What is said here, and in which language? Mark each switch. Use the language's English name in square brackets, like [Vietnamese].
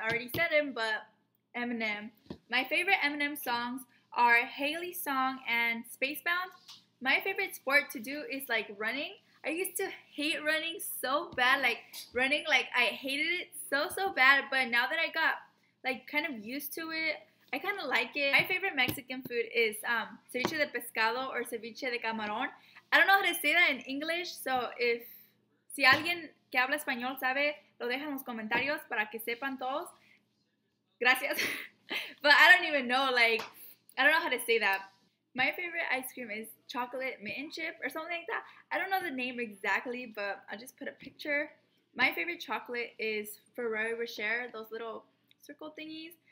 [English] I already said him, but Eminem. My favorite Eminem songs are Haley's Song and Spacebound. My favorite sport to do is like running. I used to hate running so bad, like running, like I hated it so bad. But now that I got like kind of used to it, I kind of like it. My favorite Mexican food is ceviche de pescado or ceviche de camarón. I don't know how to say that in English, so if [Spanish] si alguien que habla español sabe, lo dejan en los comentarios para que sepan todos. Gracias. [English] But I don't even know, like, I don't know how to say that. My favorite ice cream is chocolate mitten chip or something like that. I don't know the name exactly, but I'll just put a picture. My favorite chocolate is Ferrero Rocher, those little circle thingies.